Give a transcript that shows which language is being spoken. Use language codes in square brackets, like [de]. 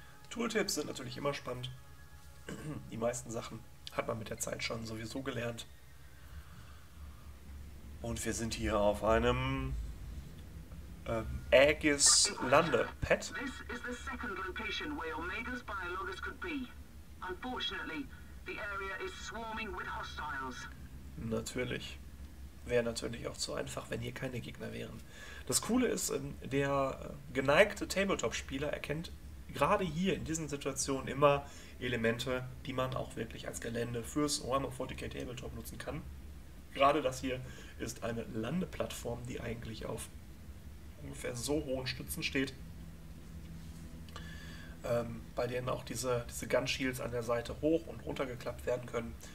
[de] Tooltips sind natürlich immer spannend. Die meisten Sachen hat man mit der Zeit schon sowieso gelernt. Und wir sind hier auf einem Aegis-Landepad. [en] This is the second location where Omega's biologus could be. Unfortunately, the area is swarming with hostiles. [de] Natürlich. Wäre natürlich auch zu einfach, wenn hier keine Gegner wären. Das Coole ist, der geneigte Tabletop-Spieler erkennt gerade hier in diesen Situationen immer Elemente, die man auch wirklich als Gelände fürs Warhammer 40k Tabletop nutzen kann. Gerade das hier ist eine Landeplattform, die eigentlich auf ungefähr so hohen Stützen steht, bei denen auch diese Gun Shields an der Seite hoch und runter geklappt werden können.